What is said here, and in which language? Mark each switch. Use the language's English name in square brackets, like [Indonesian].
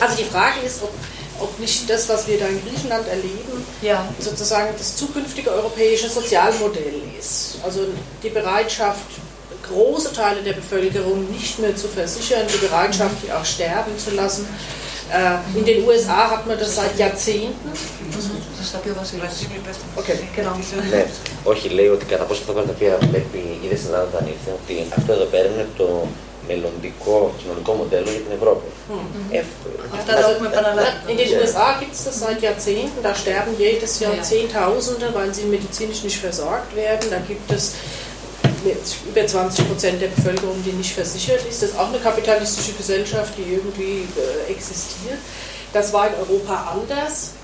[German] Also die Frage ist, ob nicht das, was wir da in Griechenland erleben, ja, sozusagen das zukünftige europäische Sozialmodell ist. Also die Bereitschaft, große Teile der Bevölkerung nicht mehr zu versichern, die Bereitschaft, die auch sterben zu lassen. In den USA hat man das seit Jahrzehnten. [Greek] Ναι, όχι, λέει ότι κατά πόσο θα πάρει τα οποία βλέπει η ίδια στην Ελλάδα όταν ήρθε, ότι αυτό εδώ πέρα είναι το μελλοντικό κοινωνικό μοντέλο για την Ευρώπη. Αυτά τα έχουμε επαναλάβει. [German] In den USA gibt es das seit Jahrzehnten, da sterben jedes Jahr Zehntausende, weil sie medizinisch nicht versorgt werden. Da gibt es über 20% der Bevölkerung, die nicht versichert ist. Das ist auch eine kapitalistische Gesellschaft, die irgendwie existiert. Das war in Europa anders.